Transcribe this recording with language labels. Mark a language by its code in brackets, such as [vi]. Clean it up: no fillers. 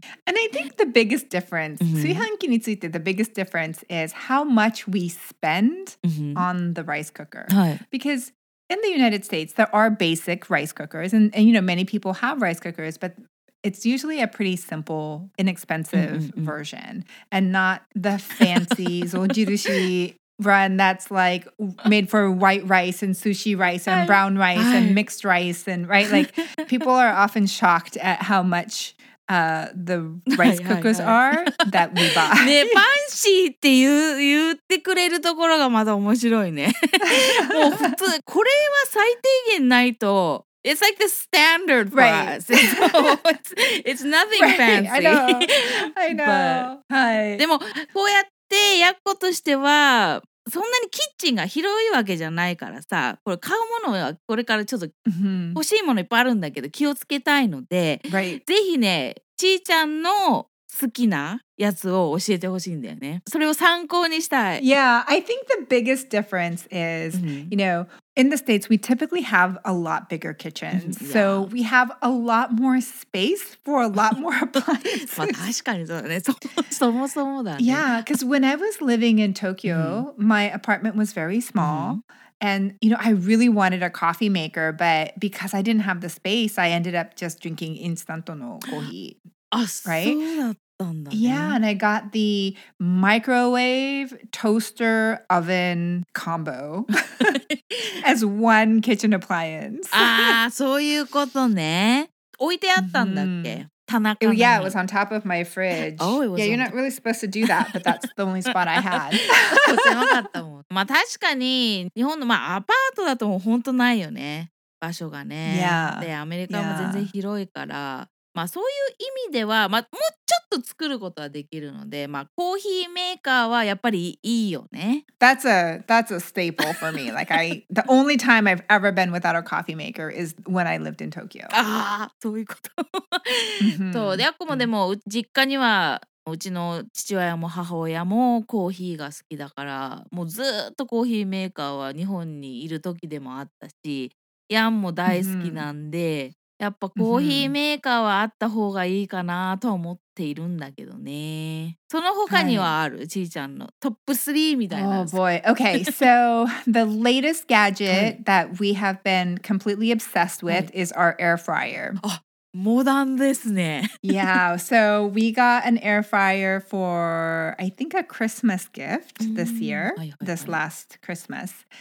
[en] mm-hmm. And I think the biggest difference、mm-hmm. [ja] 炊飯器について [en] the biggest difference is how much we spend、mm-hmm. on the rice cooker、 [ja] はい、 [en] becauseIn the United States, there are basic rice cookers, and you know, many people have rice cookers, but it's usually a pretty simple, inexpensive mm-hmm. version, and not the fancy Zojirushi run that's like made for white rice and sushi rice and brown rice and mixed rice, and right? Like, people are often shocked at how much... the rice cookers are that we buy. [ja] ね、ファンシーって言ってくれるところがまた面白いね。もう普通、これは最低限ないと、 [en] It's like the standard for right. us. It's nothing right. fancy. I know. But, [ja] はい。でも、こうやってやっことしては、そんなにキッチンが広いわけじゃないからさ、これ買うものはこれからちょっと欲しいものいっぱいあるんだけど気をつけたいので、 [en] right. [ja] ぜひね、ちーちゃんの好きなやつを教えてほしいんだよね。それを参考にしたい。 [en] Yeah, I think the biggest difference is,、mm-hmm. you know, in the States, we typically have a lot bigger kitchens.、Yeah. So we have a lot more space for a lot more appliances. [ja] 、まあ、確かにそうだね。そもそもだね。 [en] Yeah, because when I was living in Tokyo,、mm-hmm. my apartment was very small.、Mm-hmm. And, you know, I really wanted a coffee maker, but because I didn't have the space, I ended up just drinking instant no kohi. Right? Yeah, and I got the microwave, toaster, oven combo as one kitchen appliance. Ah, so you got on there. [ja] 置いてあったんだっけ? [en] Yeah, it was on top of my fridge. Oh, it was. Yeah, you're not really supposed to do that, but that's the only spot I had. [ja] まあ確かに日本のまあアパートだと本当ないよね場所がね。 [en] Yeah. [ja] でアメリカも全然広いから、まあそういう意味では、まあ、もうちょっと作ることはできるので、まあ、コーヒーメーカーはやっぱりいいよね。 [en] That's a staple for me. Like the only time I've ever been without a coffee maker is when I lived in Tokyo. [ja] ああ、そういうこと。そう、で、あくもでも実家にはうちの父親も母親もコーヒーが好きだから、もうずっとコーヒーメーカーは日本にいる時でもあったし、ヤンも大好きなんで、やっぱコーヒーメーカーはあった方がいいかなと思っているんだけどね。その他にはある、はい、ちーちゃんのトップ3みたいな。 [en] Oh boy. Okay, so the latest gadget that we have been completely obsessed with is our air fryer. [ja] モダンですね。 [en] Yeah, so we got an air fryer for, I think, a Christmas gift this year, this last Christmas.